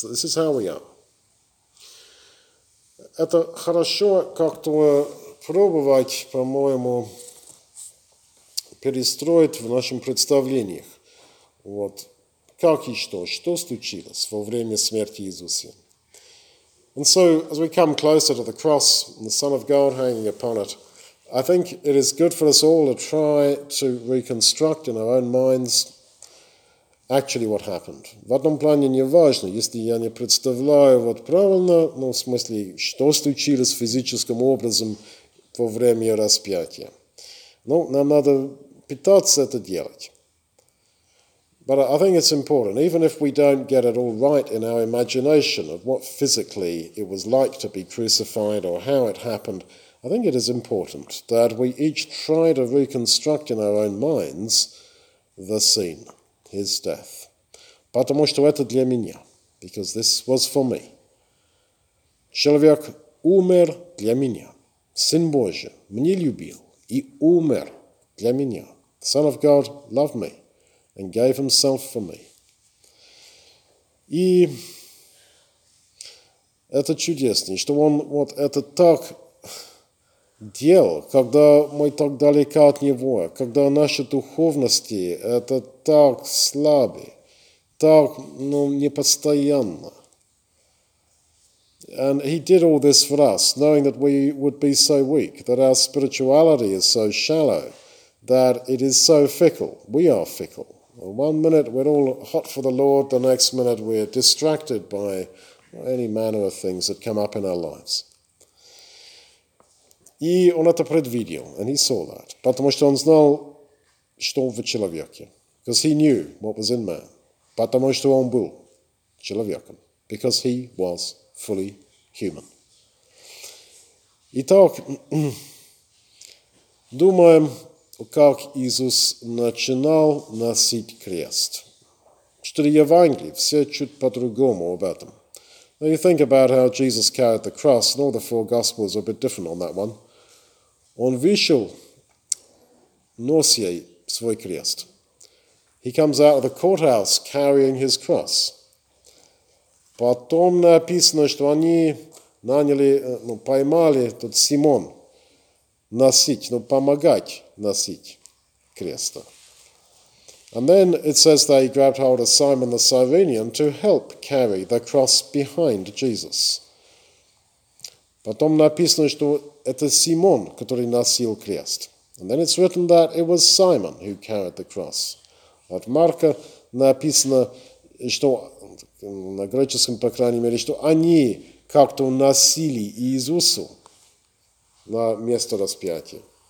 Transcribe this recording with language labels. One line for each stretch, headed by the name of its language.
English: This is how we are.
Russian: Это хорошо как-то пробовать, по-моему, перестроить в нашем представлении. Вот. Как и что? Что случилось во время смерти Иисуса?
English: And so, as we come closer to the cross, and the Son of God hanging upon it, I think it is good for us all to try to reconstruct in our own minds actually what happened.
Russian: В одном плане не важно, если я не представляю вот правильно, ну, в смысле, что случилось физическим образом во время распятия. Ну, нам надо пытаться это делать.
English: But I think it's important, even if we don't get it all right in our imagination of what physically it was like to be crucified or how it happened, I think it is important that we each try to reconstruct in our own minds the scene. His death.
Russian: Потому что это для меня.
English: Because this was for me.
Russian: Человек умер для меня. Сын Божий мне любил и умер для меня.
English: The Son of God loved me and gave himself for me.
Russian: И это чудесно, что он вот это так делал, когда мы так далеко от Него, когда наши духовности это так слабы, так, ну, непостоянно.
English: And He did all this for us, knowing that we would be so weak, that our spirituality is so shallow, that it is so fickle. We are fickle. One minute we're all hot for the Lord, the next minute we're distracted by any manner of things that come up in our lives.
Russian: И он это предвидел,
English: and he saw that,
Russian: потому что он знал, что в человеке.
English: Because he knew what was in man.
Russian: Потому что он был человеком.
English: Because he was fully human.
Russian: Итак, думаем, как Иисус начинал носить крест. Четыре Евангелия, все чуть по-другому об этом.
English: Now you think about how Jesus carried the cross, and all the four Gospels are a bit different on that one.
Russian: Он вышел, нося свой крест.
English: He comes out of the courthouse carrying his cross.
Russian: Потом написано, что они наняли, ну, поймали тот Симон носить, ну, помогать носить креста.
English: And then it says that he grabbed hold of Simon the Cyrenian to help carry the cross behind Jesus.
Russian: Потом написано, что это Симон, который носил крест.
English: And then it's written that it was Simon who carried the cross.
Russian: От Марка написано, что на греческом, по крайней мере, что они как-то носили Иисусу на место распятия.